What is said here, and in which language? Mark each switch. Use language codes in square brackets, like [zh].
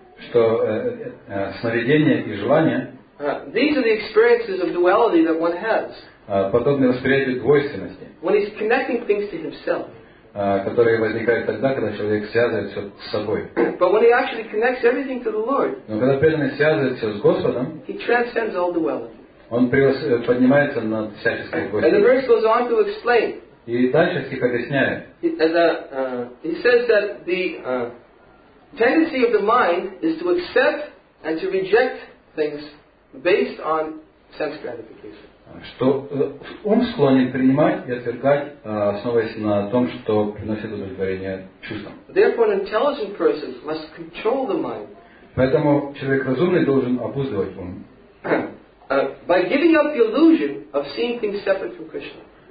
[ru] Что сновидение и желание [en] these are the experiences of duality that one has. [ru] Подобные восприятия двойственности. [en] When he's connecting things to himself. [ru] Которые возникают тогда, когда человек связывает все с собой. [en] But when he actually connects everything to the Lord. [ru] Но когда преданный связывает все с Господом. [en] He transcends all duality. [ru] Он поднимается над всяческой двойственностью. [en] And the verse goes on to explain. [ru] И дальше стих объясняет. [en] He says that the tendency of the mind is to accept and to reject things based on sense gratification. [ru] Что ум склонен принимать и отвергать, основываясь на том, что приносит удовлетворение чувствам. [en] Therefore, an intelligent person must control the mind. [ru] Поэтому человек разумный должен обуздывать ум. [en] By giving up the illusion of seeing things separate from Krishna.